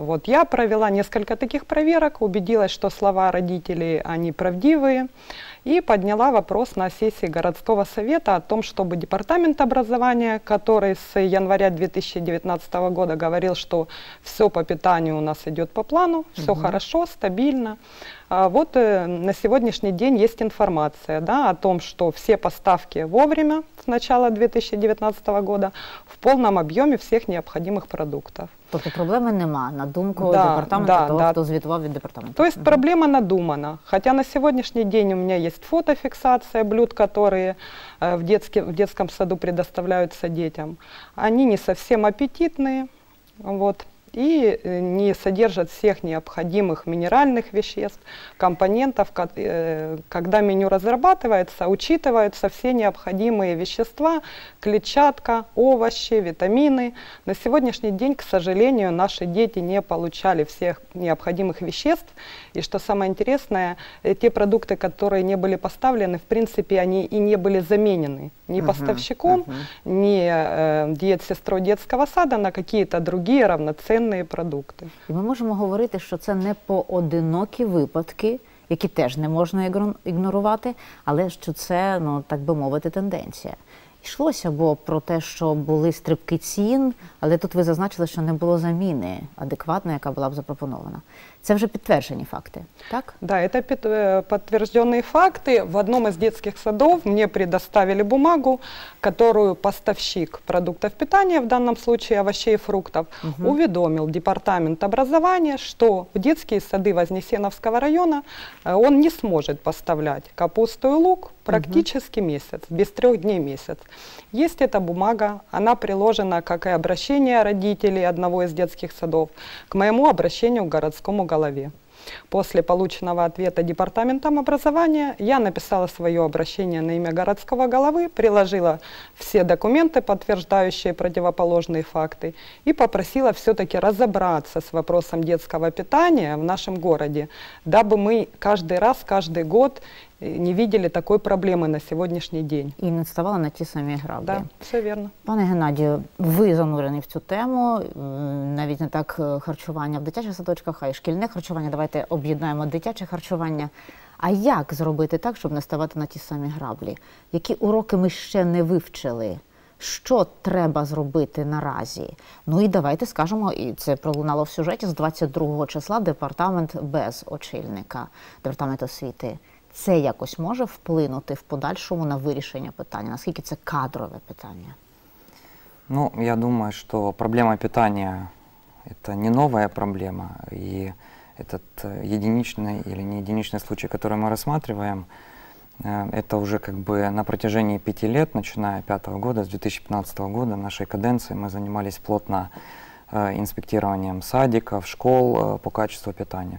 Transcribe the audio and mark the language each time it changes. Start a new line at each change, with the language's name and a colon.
Russian: Вот, я провела несколько таких проверок, убедилась, что слова родителей, они правдивые, и подняла вопрос на сессии городского совета о том, чтобы департамент образования, который с января 2019 года говорил, что все по питанию у нас идет по плану, все хорошо, стабильно. А вот на сегодняшний день есть информация, да, о том, что все поставки вовремя с начала 2019 года в полном объеме всех необходимых продуктов.
Ukrainian: Тобто проблеми нема, на думку департаменту, хто звітував від департаменту.
Russian: То есть проблема надумана. Хотя на сегодняшний день у меня есть фотофиксация блюд, которые в детском саду предоставляются детям. Они не совсем аппетитные, вот. И не содержат всех необходимых минеральных веществ, компонентов. Когда меню разрабатывается, учитываются все необходимые вещества, клетчатка, овощи, витамины. На сегодняшний день, к сожалению, наши дети не получали всех необходимых веществ. И что самое интересное, те продукты, которые не были поставлены, в принципе, они и не были заменены ни поставщиком, ни диетсестрой детского сада на какие-то другие равноценные продукти.
Ukrainian: І ми можемо говорити, що це не поодинокі випадки, які теж не можна ігнорувати, але що це, ну, так би мовити, тенденція. Йшлося бо про те, що були стрибки цін, але тут ви зазначили, що не було заміни адекватної, яка була б запропонована. Це вже підтверджені факти, так?
Russian: Да, это подтверждённые факты. В одном из детских садов мне предоставили бумагу, которую поставщик продуктов питания, в данном случае овощей и фруктов, уведомил департамент образования, что в детские сады Вознесеновского района он не сможет поставлять капусту и лук практически месяц, без трех дней месяц. Есть эта бумага, она приложена, как и обращение родителей одного из детских садов, к моему обращению к городскому голове. После полученного ответа департаментом образования я написала свое обращение на имя городского головы, приложила все документы, подтверждающие противоположные факты, и попросила все-таки разобраться с вопросом детского питания в нашем городе, дабы мы каждый раз, каждый год не видели такой проблемы на сегодняшний день. И не вставала на те самые грабли. Да, все верно.
Ukrainian: Пане Геннадію, ви занурені в цю тему, навіть не так харчування в дитячих садочках, а й шкільне харчування. Давайте об'єднаємо дитяче харчування. А як зробити так, щоб не ставати на ті самі граблі? Які уроки ми ще не вивчили? Що треба зробити наразі? Ну і давайте скажемо, і це пролунало в сюжеті, з 22 числа департамент без очільника, департамент освіти. Це якось може вплинути в подальшому на вирішення питання? Наскільки це кадрове питання? Ну, я думаю, що проблема питання – це не нова проблема.
Russian: І этот единичный или не единичный случай, который мы рассматриваем, это уже как бы на протяжении 5 лет, начиная с 2005 года, с 2015 года нашей каденции, мы занимались плотно инспектированием садиков, школ по качеству питания.